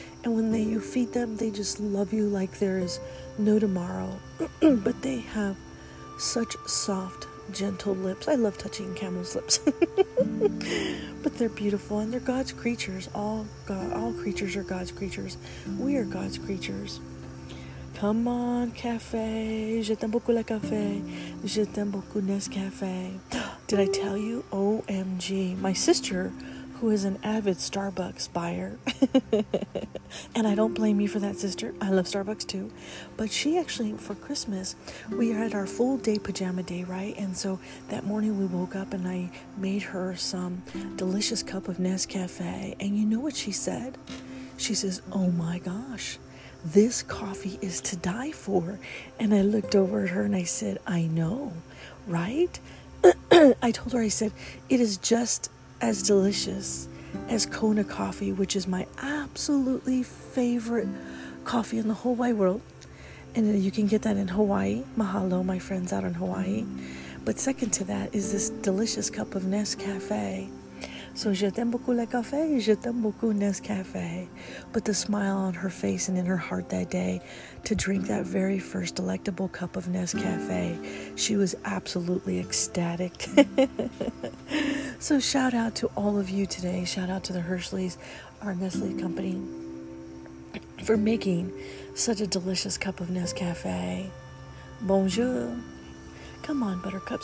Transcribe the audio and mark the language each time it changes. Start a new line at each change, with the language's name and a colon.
English: And when you feed them, they just love you like there is no tomorrow. But they have such soft, gentle lips. I love touching camel's lips. But they're beautiful and they're God's creatures. All creatures are God's creatures. We are God's creatures. Come on, cafe.
French: Je t'aime beaucoup le café. Je t'aime beaucoup Nescafé.
English: Did I tell you? OMG. My sister, who is an avid Starbucks buyer, and I don't blame you for that, sister. I love Starbucks too. But she actually, for Christmas, we had our full day pajama day, right? And so that morning we woke up and I made her some delicious cup of Nescafe. And you know what she said? She says, "Oh my gosh, this coffee is to die for." And I looked over at her and I said, "I know, right?" I told her, I said, "It is just as delicious as Kona coffee, which is my absolutely favorite coffee in the whole wide world." And you can get that in Hawaii. Mahalo, my friends out in Hawaii. But second to that is this delicious cup of Nescafe.
French: So je t'aime beaucoup le café, je t'aime beaucoup Nescafe.
English: But the smile on her face and in her heart that day to drink that very first delectable cup of Nescafe, she was absolutely ecstatic. So shout out to all of you today. Shout out to the Hershleys, our Nestle company, for making such a delicious cup of Nescafe. Bonjour. Come on, buttercup.